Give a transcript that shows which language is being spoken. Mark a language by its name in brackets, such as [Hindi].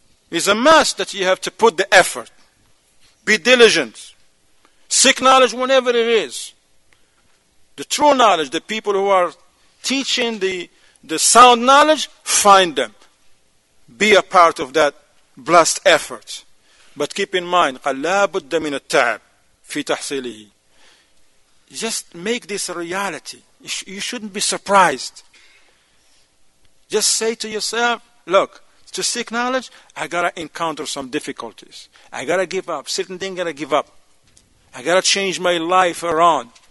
[English] It's a must that you have to put the effort. Be diligent. Seek knowledge whenever it is. The true knowledge, the people who are teaching the sound knowledge, find them. Be a part of that blessed effort. But keep in mind, [Arabic] لَا بُدَّ مِنَ التَّعَبْ فِي تَحْصِيلِهِ. [English] Just make this a reality. You shouldn't be surprised. Just say to yourself, look, to seek knowledge, I got to encounter some difficulties. I got to give up. Certain things got to give up. I got to change my life around.